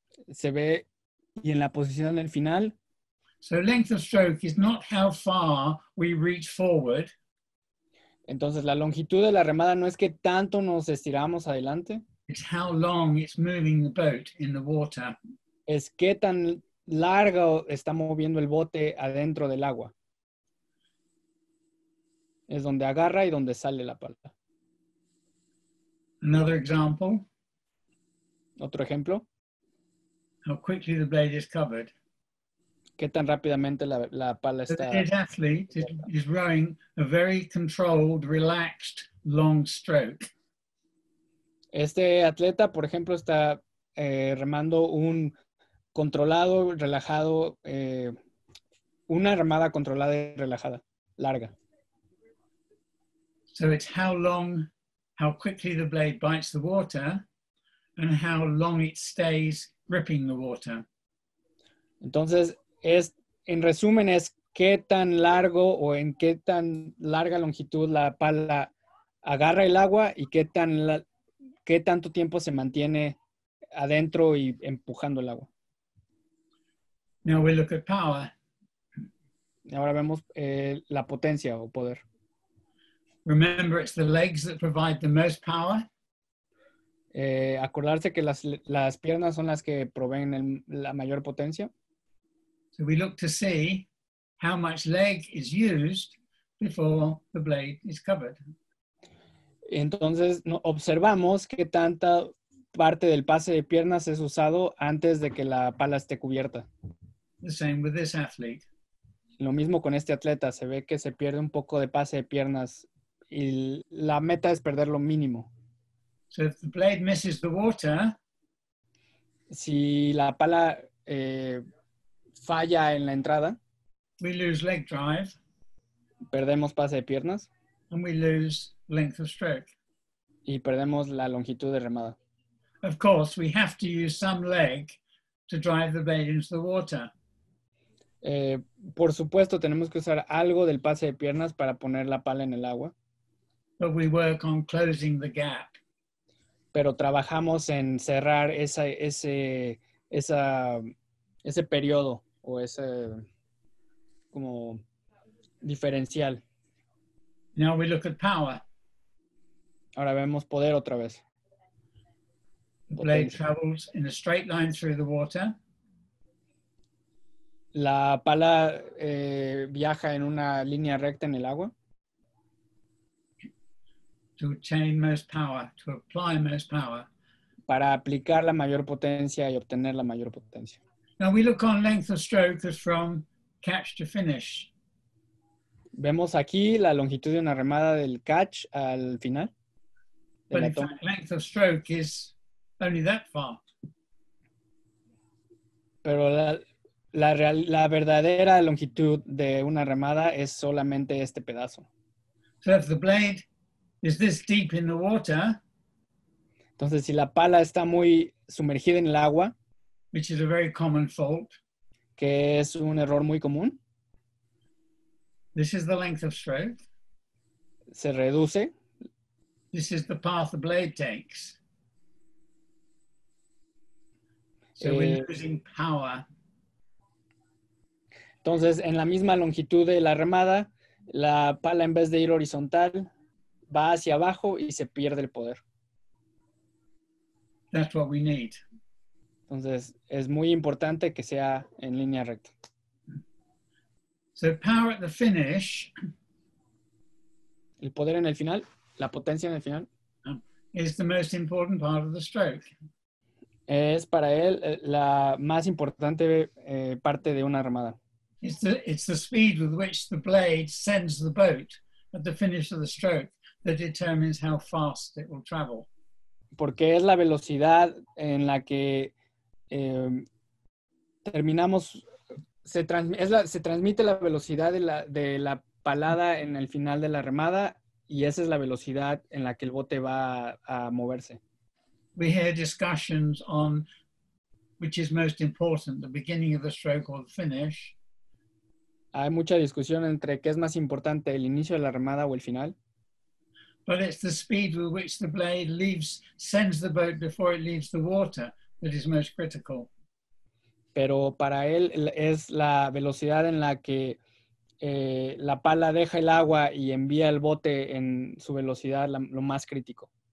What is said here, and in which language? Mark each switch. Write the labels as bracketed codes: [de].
[es] Se ve, y en la posición del final. [en] So length of stroke is not how far we reach forward. [es] Entonces, la longitud de la remada no es que tanto nos estiramos adelante. [en] It's how long it's moving the boat in the water. [es] Es qué tan largo está moviendo el bote adentro del agua. Es donde agarra y donde sale la pala. [en] Another example. [es] Otro ejemplo. [en] How quickly the blade is covered. [es] Qué tan rápidamente la pala está. [en] The athlete is rowing a very controlled, relaxed, long stroke. [es] Este atleta, por ejemplo, está remando un controlado, relajado, una remada controlada y relajada, larga. [en] So it's how long, how quickly the blade bites the water, and how long it stays gripping the water. [es] Entonces, en resumen, es qué tan largo o en qué tan larga longitud la pala agarra el agua y qué tanto tiempo se mantiene adentro y empujando el agua. [en] Now we look at power. [es] Ahora vemos la potencia o poder. [en] Remember, it's the legs that provide the most power. [es] Acordarse que las piernas son las que proveen la mayor potencia. [en] So we look to see how much leg is used before the blade is covered. [es] Entonces observamos qué tanta parte del pase de piernas es usado antes de que la pala esté cubierta. [en] The same with this athlete. [es] Lo mismo con este atleta, se ve que se pierde un poco de pase de piernas y la meta es perder lo mínimo. [en] So if the blade misses the water, [es] si la pala falla en la entrada, [en] we lose leg drive, [es] perdemos pase de piernas, [en] and we lose length of stroke. [es] Y perdemos la longitud de remada. [en] Of course, we have to use some leg to drive the blade into the water. [es] Por supuesto, tenemos que usar algo del pase de piernas para poner la pala en el agua. [en] But we work on closing the gap. [es] Pero trabajamos en cerrar ese periodo o ese como diferencial. [en] Now we look at power. [es] Ahora vemos poder otra vez. [en] The blade travels in a straight line through the water. [es] La pala viaja en una línea recta en el agua. [en] To obtain most power, to apply most power. [es] Para aplicar la mayor potencia y obtener la mayor potencia. [en] Now we look on length of stroke as from catch to finish. [es] Vemos aquí la longitud de una remada del catch al final. [en] But in fact, length of stroke is only that far. [es] Pero la verdadera longitud de una remada es solamente este pedazo. [en] So if the blade is this deep in the water, [es] entonces si la pala está muy sumergida en el agua, [en] which is a very common fault, [es] que es un error muy común, [en] this is the length of stroke. [es] Se reduce. [en] This is the path the blade takes. So we're losing power. [es] Entonces, en la misma longitud de la remada, la pala en vez de ir horizontal va hacia abajo y se pierde el poder. [en] That's what we need. [es] Entonces, es muy importante que sea en línea recta. [en] So power at the finish. [es] El poder en el final, la potencia en el final. [en] Is the most important part of the stroke. [es] Es para él la más importante parte de una remada. [en] It's the speed with which the blade sends the boat at the finish of the stroke that determines how fast it will travel. [es] Porque es la velocidad en la que terminamos, se transmite la velocidad de la palada en el final de la remada y esa es la velocidad en la que el bote va a moverse. [en] We hear discussions on which is most important, the beginning of the stroke or the finish. [es] Hay mucha discusión entre qué es más importante, el inicio de la remada o el final. [en] But it's the speed with which the blade leaves, sends the boat before it leaves the water that is most critical. [es] Pero para él es la velocidad en la que la pala deja el agua y envía el bote en su velocidad lo más crítico.